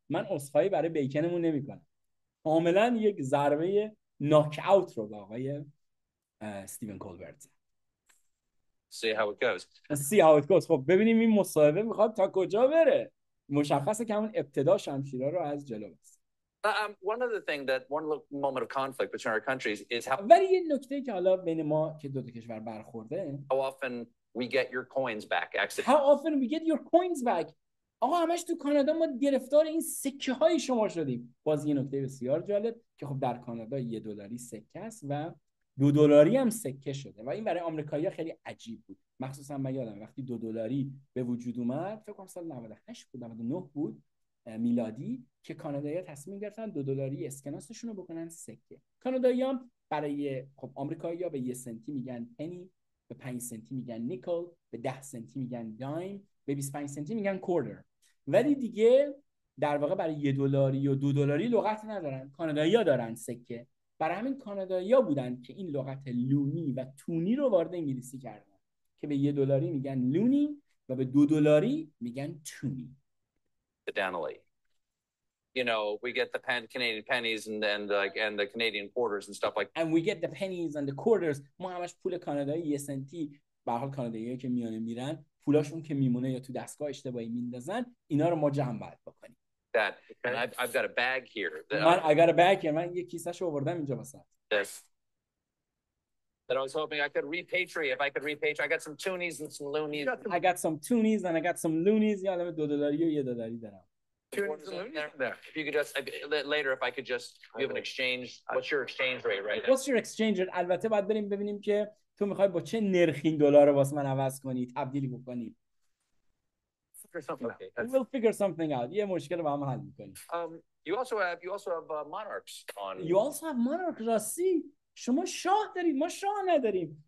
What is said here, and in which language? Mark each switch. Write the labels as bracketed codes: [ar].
[fa] من عذرخواهی برای بیکنمون نمی کنم. کاملا یک ضربه ناک اوت رو به آقای استیون کولبرت. [en] See how it goes. See how it goes. [fa] خب ببینیم این مصاحبه میخواد تا کجا بره. مشخصه که همون ابتدا شمشیرا رو از جلو بست. [en] One other thing that one moment of conflict between our countries is how. [fa] ولی یه نکته که حالا بین ما که دو تا کشور برخورده. [en] How often we get your coins back accidentally. How often we get your coins back. [fa] آقا همش تو کانادا ما گرفتار این سکه های شما شدیم. باز یه نکته بسیار جالب که خب در کانادا یه دلاری سکه است و دو دلاری هم سکه شده و این برای آمریکایی‌ها خیلی عجیب بود، مخصوصا من یادم وقتی دو دلاری به وجود اومد فکر کنم سال 98 بود 99 بود میلادی که کانادایی‌ها تصمیم گرفتن دو دلاری اسکناسشون رو بکنن سکه. کانادایی‌ها برای خب آمریکایی‌ها به یه سنتی میگن پنی، به 5 سنتی میگن نیکل، به 10 سنتی میگن دایم، به 25 سنتی میگن کوارتر، ولی دیگه در واقع برای یه دلاری و دو دلاری لغت ندارن، کانادایی‌ها دارن سکه. برای همین کانادایی‌ها بودن که این لغت لونی و تونی رو وارد انگلیسی کردن که به یه دلاری میگن لونی و به دو دلاری میگن تونی. [en] The Donnelly. You know, we get the Canadian pennies and the Canadian quarters and stuff like that. And we get the pennies and the quarters. [fa] ما همش پول کانادایی یه سنتی، به هر حال کانادایی‌ها که میانه میرن پولاشون که میمونه یا تو دستگاه اشتباهی میندازن اینا رو ما جمع باید بکنیم. [en] That. And I've got a bag here. Man, I got a bag here. [fa] من یه کیسه‌شو آوردم اینجا مثلا. [en] Yes. That I was hoping I could repatriate. If I could repatriate, I got some toonies and some loonies. I got some toonies and I got some loonies. Yeah, let me $2 you, $1 [fa] دارم. [en] Toonies and loonies. There. If you could just later, if I could just give an exchange. What's your exchange rate right now? What's your exchange rate? [fa] البته باید بریم ببینیم که تو میخوای با چه نرخی این دلار رو واسه من عوض کنی، تبدیلی بکنی. [en] Okay, we'll figure something out. [fa] یه مشکل با هم حل میکنی. [en] You also have monarchs on. You also have monarchs. [fa] راستی شما شاه دارید، ما شاه نداریم.